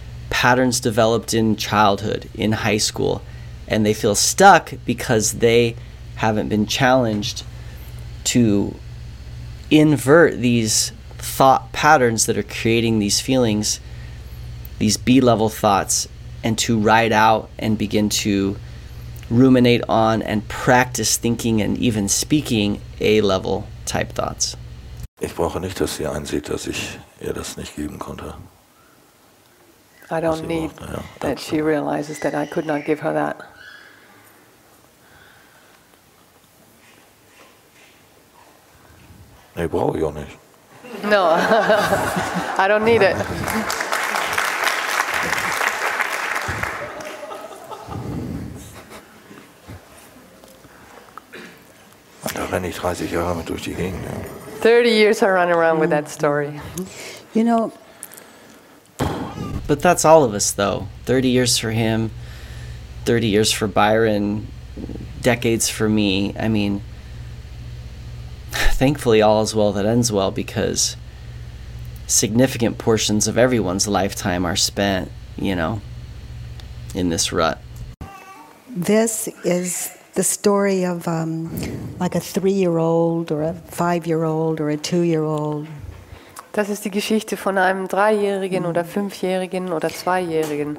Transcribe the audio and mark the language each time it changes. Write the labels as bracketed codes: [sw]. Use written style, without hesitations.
[en] Patterns developed in childhood, in high school. And they feel stuck because they haven't been challenged to invert these thought patterns that are creating these feelings, these B-level thoughts, and to ride out and begin to ruminate on and practice thinking and even speaking A-level type thoughts. [de] Ich brauche nicht, dass sie einsieht, dass ich ihr das nicht geben konnte. [en] I don't need braucht, that she realizes that I could not give her that. [de] Nee, brauche ich auch nicht. [en] No, I don't need it. [de] Da renne ich 30 Jahre mit durch die Gegend. Ja. [en] 30 years I run around with that story. You know, but that's all of us, though. 30 years for him, 30 years for Byron, decades for me. I mean, thankfully, all is well that ends well, because significant portions of everyone's lifetime are spent, you know, in this rut. This is the story of like a 3-year-old or a 5-year-old or a 2-year-old. [de] Das ist die Geschichte von einem 3-jährigen oder 5-jährigen oder 2-jährigen.